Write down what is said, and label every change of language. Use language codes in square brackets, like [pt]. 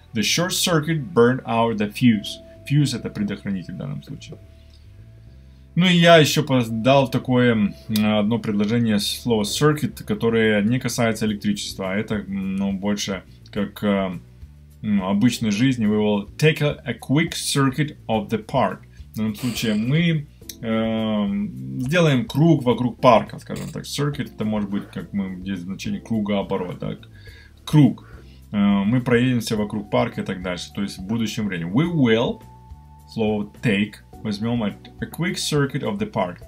[en] The short circuit burned out the fuse. [ru] Fuse — это предохранитель в данном случае. И я еще дал такое одно предложение слова circuit, которое не касается электричества. Это больше как обычной жизни. [en] We will take a quick circuit of the park. [ru] В данном случае мы сделаем круг вокруг парка, скажем так. Circuit — это может быть, как мы здесь значение кругооборот. Да? Круг. Мы проедемся вокруг парка и так дальше. То есть в будущем времени. [en] We will... [ru] Слово [en] take [ru] возьмем [en] a quick circuit of the park.